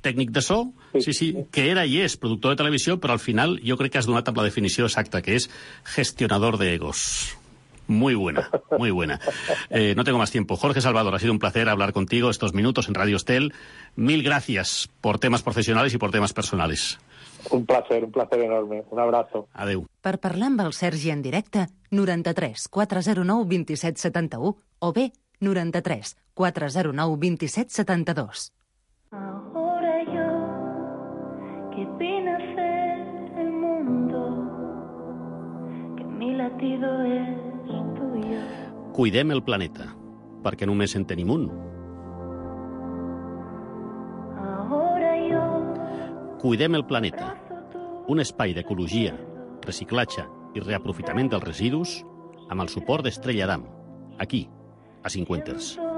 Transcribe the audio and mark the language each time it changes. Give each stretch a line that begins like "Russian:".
Catalan: tècnic de so, sí, que era i és productor de televisió, però al final jo crec que has donat amb la definició exacta, que és gestionador de egos.
Spanish: Muy buena, muy buena. No tengo más tiempo. Jorge Salvador, ha sido un placer hablar contigo estos minutos en Radio Estel. Mil gracias por temas profesionales y por temas personales. Un placer enorme. Un abrazo.
Catalan: Adeu. Per parlar amb el Sergi en directe, 93 409 2771 o bé 93 409 2772.
Spanish: Ahora yo que vine a ser el mundo, que mi latido es tuyo.
Catalan: Cuidem el planeta, perquè només en tenim un.
Spanish: Ahora yo.
Catalan: Cuidem el planeta, un espai d'ecologia, reciclatge i reaprofitament dels residus amb el suport d'Estrella Damm, aquí, a 50ers.